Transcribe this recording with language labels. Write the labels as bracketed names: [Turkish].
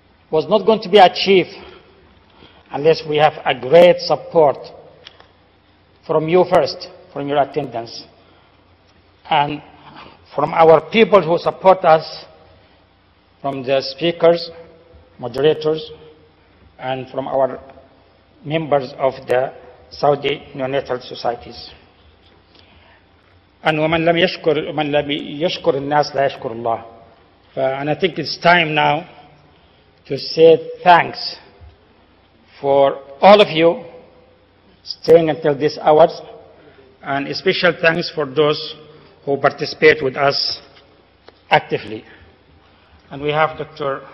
[English] was not going to be achieved unless we have a great support from you first, from your attendance, and from our people who support us, from the speakers, moderators, and from our members of the Saudi Neonatal Societies. [Arabic] And ومن لم يشكر الناس لا يشكر الله. [English] And I think it's time now to say thanks for all of you staying until this hour, and a special thanks for those who participate with us actively. And we have Dr.